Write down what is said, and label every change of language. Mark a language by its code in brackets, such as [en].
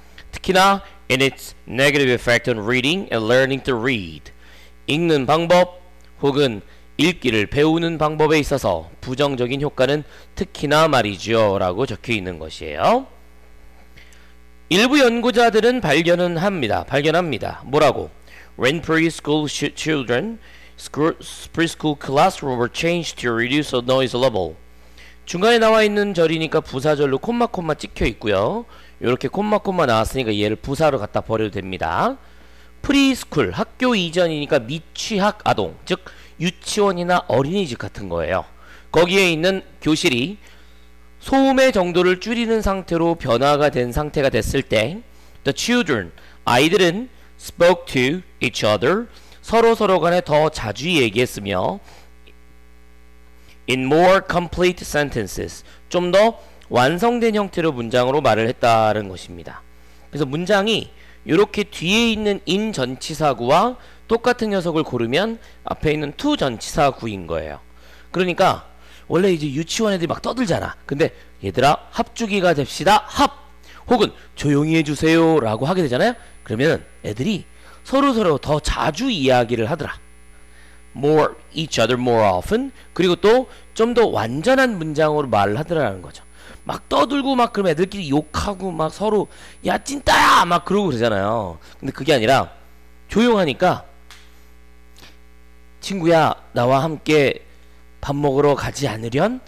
[ko] 특히나 [en] in its negative effect on reading and learning to read, [ko] 읽는 방법 혹은 읽기를 배우는 방법에 있어서 부정적인 효과는 특히나 말이죠 라고 적혀 있는 것이에요. 일부 연구자들은 발견은 합니다. 발견합니다. 뭐라고? [en] When preschool children preschool classroom were changed to reduce the noise level. [ko] 중간에 나와 있는 절이니까 부사절로 콤마 콤마 찍혀 있고요. 이렇게 콤마 콤마 나왔으니까 얘를 부사로 갖다 버려도 됩니다. 프리스쿨, 학교 이전이니까 미취학 아동, 즉 유치원이나 어린이집 같은 거예요. 거기에 있는 교실이 소음의 정도를 줄이는 상태로 변화가 된 상태가 됐을 때 [en] the children, [ko] 아이들은 [en] spoke to each other, [ko] 서로 간에 더 자주 얘기했으며 [en] in more complete sentences, [ko] 좀 더 완성된 형태로 문장으로 말을 했다는 것입니다. 그래서 문장이 이렇게 뒤에 있는 in 전치사구와 똑같은 녀석을 고르면 앞에 있는 to 전치사구인 거예요. 그러니까 원래 이제 유치원 애들이 막 떠들잖아. 근데 얘들아 합주기가 됩시다 합! 혹은 조용히 해주세요 라고 하게 되잖아요. 그러면 애들이 서로 더 자주 이야기를 하더라. [en] More each other more often. [ko] 그리고 또 좀 더 완전한 문장으로 말을 하더라는 거죠. 막 떠들고 막 그럼 애들끼리 욕하고 막 서로 야 찐따야 막 그러고 그러잖아요. 근데 그게 아니라 조용하니까 친구야 나와 함께 밥 먹으러 가지 않으련?